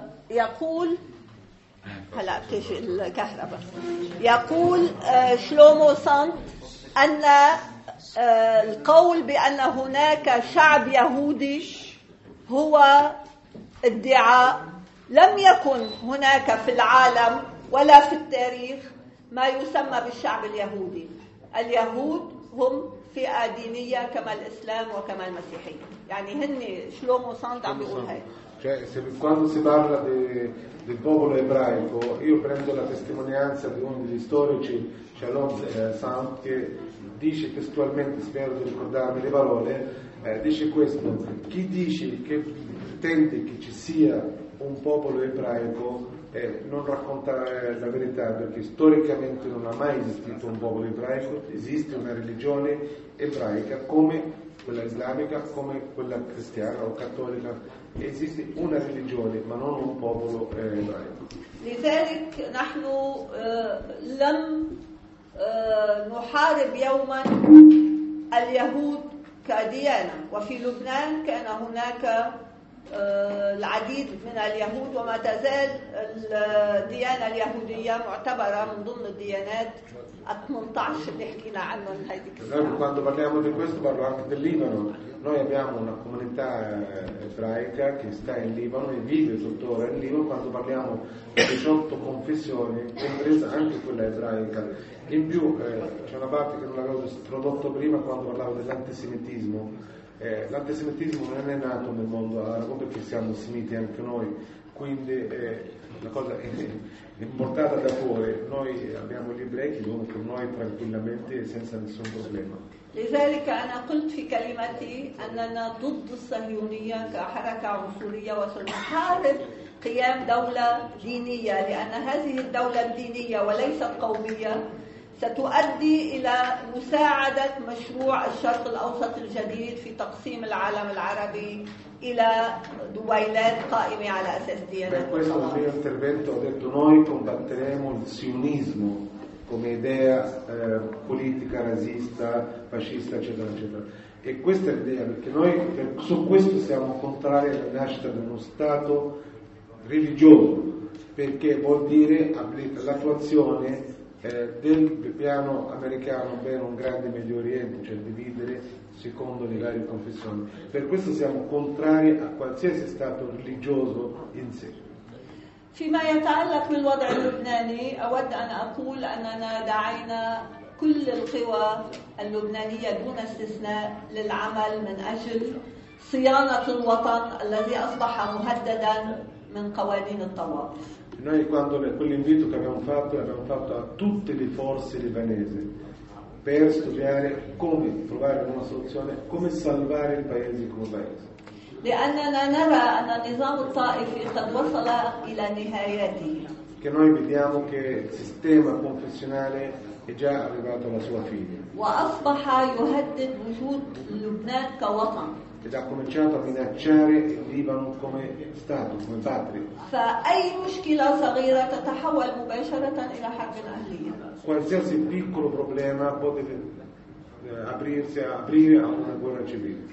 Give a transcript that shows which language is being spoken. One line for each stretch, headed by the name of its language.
Arabic: يقول هلا بتجي الكهرباء يقول شلومو ساند أن القول بأن هناك شعب يهودي هو ادعاء لم يكن هناك في العالم ولا في التاريخ ما يسمى بالشعب اليهودي. اليهود هم فئة دينية كما الإسلام وكما المسيحية. يعني هني شلومو ساند عم بيقول هاي.
Italian: Cioè, quando si parla del popolo ebraico, io prendo la testimonianza di uno degli storici, Shalom Sand, che dice testualmente, spero di ricordarmi le parole, dice questo: chi dice che pretende che ci sia un popolo ebraico non racconta la verità, perché storicamente non ha mai esistito un popolo ebraico, esiste una religione ebraica come quella islamica, come quella cristiana o cattolica, esiste una religione ma non un popolo ebraico.
Arabic: لذلك نحن لم نحارب يوما اليهود كديانة. وفي لبنان كان هناك العديد من اليهود وما تزال الديانة اليهودية معتبرة من ضمن الديانات 18 اللي حكينا عنهم هذيك السنة.
Italian: Quando parliamo di questo parlo anche del Libano. Noi abbiamo una comunità ebraica che sta in Libano e vive tuttora in Libano. Quando parliamo di 18 confessioni, compresa anche quella ebraica. In più c'è una parte che non avevo introdotto prima, quando parlavo dell'antisemitismo. L'antisemitismo non è nato nel mondo arabo, perché siamo semiti anche noi, quindi la cosa è importata da fuori. Noi abbiamo gli ebrei che vivono con noi tranquillamente e senza nessun problema.
Arabic: لذلك أنا قلت في كلمتي أننا ضد الصهيونية كحركة عنصرية وسنحارب قيام دولة دينية، لأن هذه الدولة الدينية وليست قومية ستؤدي إلى مساعدة مشروع الشرق الأوسط الجديد في تقسيم العالم العربي إلى دويلات قائمة على أساس ديانات.
Italian: Per questo mio intervento ho detto: noi combatteremo il sionismo come idea politica, razzista, fascista, eccetera, eccetera. E questa è l'idea, perché noi su questo siamo contrari alla nascita di uno Stato religioso, perché vuol dire l'attuazione del piano americano, ovvero un grande Medio Oriente, cioè dividere secondo le varie confessioni. Per questo siamo contrari a qualsiasi Stato religioso in sé.
Arabic: فيما يتعلق بالوضع اللبناني أود أن أقول أننا دعينا كل القوى اللبنانية دون استثناء للعمل من أجل صيانة الوطن الذي أصبح مهددا من قوانين الطوائف.
Italian: Noi quando quell'invito che abbiamo fatto a tutte le forze libanesi per studiare come trovare una soluzione, come salvare il paese come paese.
Arabic: لأننا نرى أن النظام الطائفي قد وصل إلى نهايته.
Italian: Che noi vediamo che il sistema confessionale è già arrivato alla sua fine.
Arabic: وأصبح يهدد وجود لبنان كوطن.
Italian: Ed ha cominciato a minacciare il Libano come Stato, come patria.
Arabic: فأي مشكلة صغيرة تتحول مباشرة إلى حرب أهلية.
Italian: Qualsiasi piccolo problema può aprire a una guerra civile.